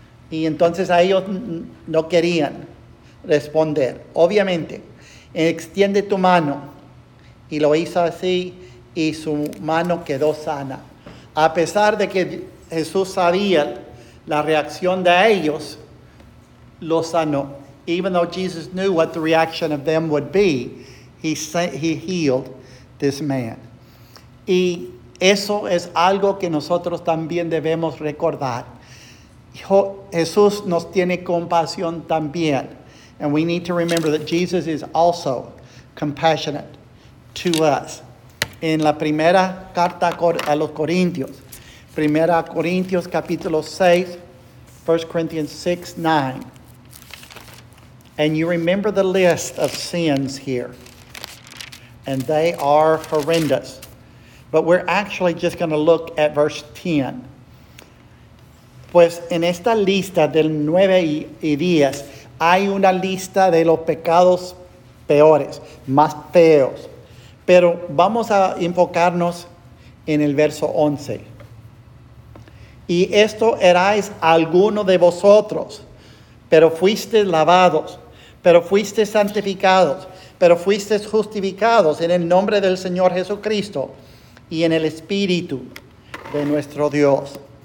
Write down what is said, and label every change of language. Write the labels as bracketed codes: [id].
[es] Y entonces a ellos no querían responder. Obviamente, extiende tu mano. Y lo hizo así, y su mano quedó sana. A pesar de que Jesús sabía la reacción de ellos, lo sanó. [en] Even though Jesus knew what the reaction of them would be, he healed this man. [es] Y eso es algo que nosotros también debemos recordar. Jesús nos tiene compasión también. [en] And we need to remember that Jesus is also compassionate to us. [es] En la primera carta a los Corintios, 1 Corintios capítulo 6, 1 Corinthians 6, 9. [en] And you remember the list of sins here. And they are horrendous. But we're actually just going to look at verse 10. [es] Pues en esta lista del 9 y 10, hay una lista de los pecados peores, más feos. Pero vamos a enfocarnos en el verso 11. Y esto erais alguno de vosotros, pero fuisteis lavados, pero fuisteis santificados, pero fuisteis justificados en el nombre del Señor Jesucristo y en el Espíritu de nuestro Dios.